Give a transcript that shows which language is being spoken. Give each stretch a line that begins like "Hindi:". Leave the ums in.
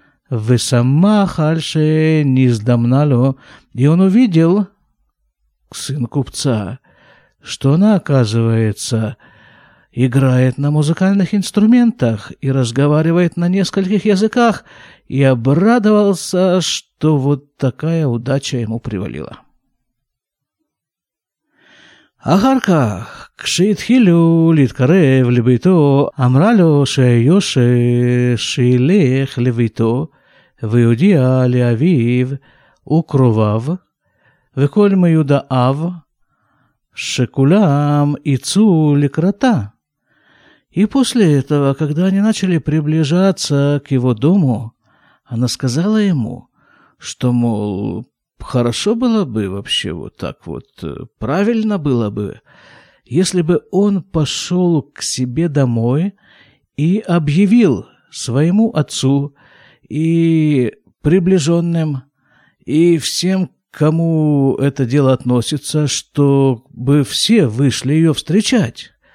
Hebrew: ושמח על שנזדמנה לו,
Russian: и он увидел, сын купца, что она, оказывается, играет на музыкальных инструментах и разговаривает на нескольких языках, и обрадовался, что вот такая удача ему привалила.
Hebrew: אחר כך, כשהתחילו להתקרב לביתו, אמרה לו שהיושר שילך לביתו ויודיע לאביו וקרוביו וכל מיודעיו שכולם יצאו לקראתה.
Russian: И после этого, когда они начали приближаться к его дому, она сказала ему, что, мол, хорошо было бы вообще вот так вот, правильно было бы, если бы он пошел к себе домой и объявил своему отцу и приближенным, и всем, кому это дело относится, чтобы все вышли ее встречать.